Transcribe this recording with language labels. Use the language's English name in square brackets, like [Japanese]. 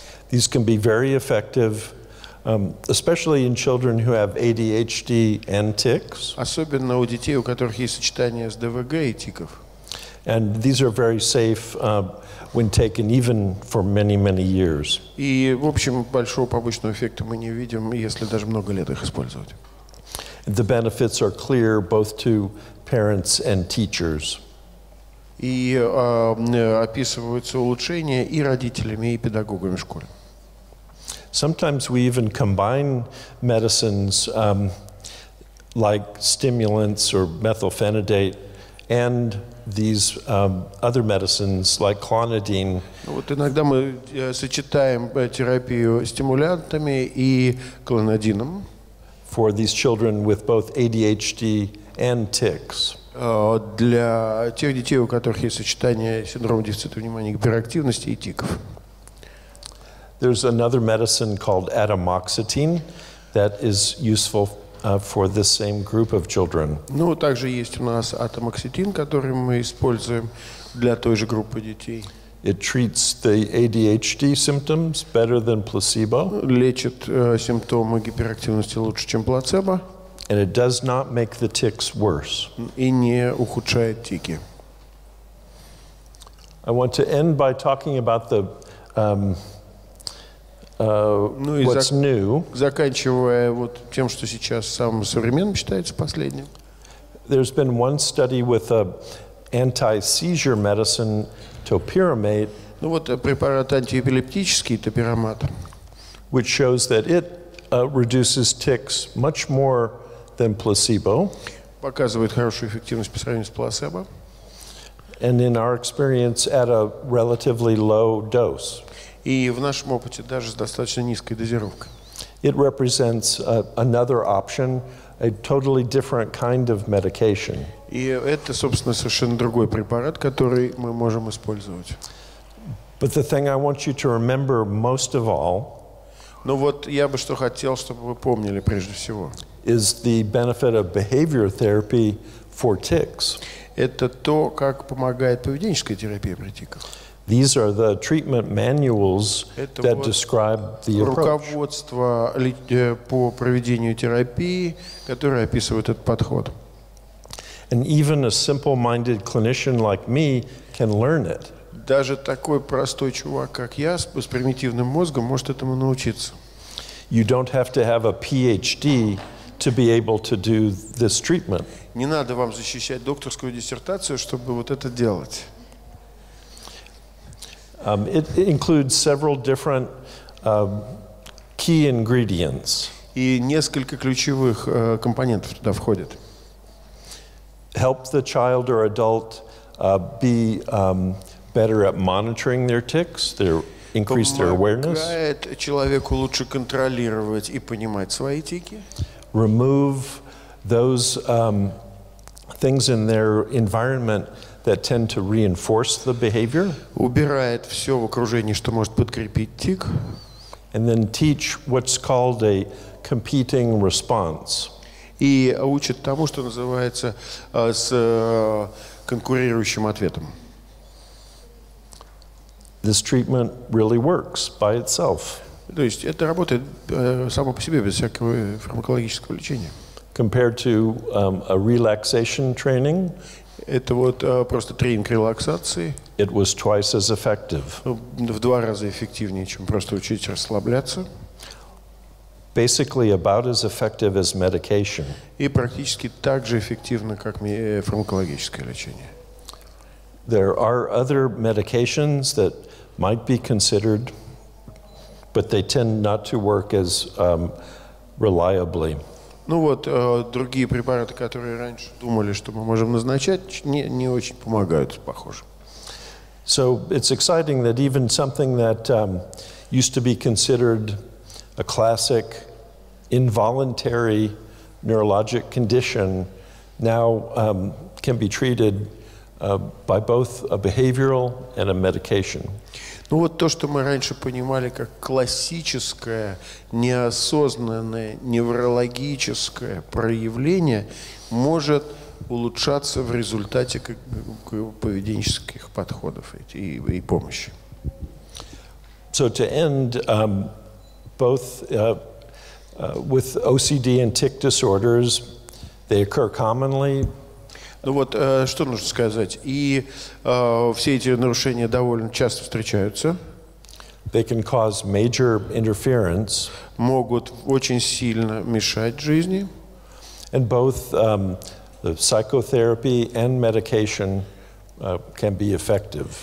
[English] These can be very effective, especially in children who have ADHD and tics. [Russian] Особенно у детей, у которых есть сочетание с ДВГ и тиков. [English] And these are very safe when taken even for many, many years. [Russian] И, в общем, большого побочного эффекта мы не видим, если даже много лет их использовать. [English] The benefits are clear both to parents and teachers. [Russian] И описываются улучшения и родителями, и педагогами в школе. [English] Sometimes we even combine medicines like stimulants or methylphenidate and these other medicines like clonidine. [Russian] Вот иногда мы сочетаем терапию стимулянтами и клонидином. [English] For these children with both ADHD and tics. [Russian] Для тех детей, у которых есть сочетание синдрома дефицита внимания гиперактивности и тиков. [English] There's another medicine called atomoxetine that is useful for the same group of children. [Russian] Ну, также есть у нас атомоксетин, который мы используем для той же группы детей. [English] It treats the ADHD symptoms better than placebo. [Russian] Лечит симптомы гиперактивности лучше, чем плацебо. [English] And it does not make the tics worse. [Russian] И не ухудшает тики. [English] I want to end by talking about the what's new. [Russian] Заканчивая вот тем, что сейчас самым современным считается последним. [English] There's been one study with a anti-seizure medicine, topiramate. [Russian] Ну вот препарат антиэпилептический, топирамат. [English] Which shows that it reduces tics much more than placebo. [Russian] Показывает хорошую эффективность по сравнению с плацебо. [English] And in our experience, at a relatively low dose. [Russian] И в нашем опыте даже с достаточно низкой дозировкой. [English] It represents another option, a totally different kind of medication. [Russian] И это, собственно, совершенно другой препарат, который мы можем использовать. [English] But the thing I want you to remember most of all. [Russian] Ну вот я бы что хотел, чтобы вы помнили прежде всего. [English] Is the benefit of behavior therapy for tics. [Russian] Это то, как помогает поведенческая терапия при тиках. [English] These are the treatment manuals that describe the approach. [Russian] Руководство по проведению терапии, которое описывает этот подход. [English] And even a simple-minded clinician like me can learn it. [Russian] Даже такой простой чувак, как я, с примитивным мозгом, может этому научиться. [English] You don't have to have a PhD to be able to do this treatment. [Russian] Не надо вам защищать докторскую диссертацию, чтобы вот это делать. [English] It includes several different key ingredients. [Russian] И несколько ключевых компонентов туда входит. [English] Help the child or adult be better at monitoring their tics, increase their awareness. [Russian] Помогает человеку лучше контролировать и понимать свои тики. [English] Remove those things in their environment that tend to reinforce the behavior. [Russian] Убирает все в окружении, что может подкрепить тик. [English] And then teach what's called a competing response. [Russian] И учит тому, что называется с конкурирующим ответом. [English] This treatment really works by itself. [Russian] То есть это работает само по себе без всякого фармакологического лечения. [English] Compared to a relaxation training. [Russian] Это вот просто тренинг релаксации. [English] It was twice as effective. [Russian] В два раза эффективнее, чем просто учить расслабляться. [English] Basically about as effective as medication. [Russian] И практически так же эффективно, как фармакологическое лечение. [English] There are other medications that might be considered, but they tend not to work as reliably. [Russian] Ну вот, другие препараты, которые раньше думали, что мы можем назначать, не очень помогают, похоже. [English] So it's exciting that even something that used to be considered a classic involuntary neurologic condition now can be treated by both a behavioral and a medication. [Russian] Ну вот то, что мы раньше понимали как классическое неосознанное неврологическое проявление, может улучшаться в результате поведенческих подходов и помощи. [English] So to end, both with OCD and tic disorders, they occur commonly. [Russian] Ну вот, что нужно сказать. И все эти нарушения довольно часто встречаются. [English] They can cause major interference. [Russian] Могут очень сильно мешать жизни. [English] And both the psychotherapy and medication can be effective.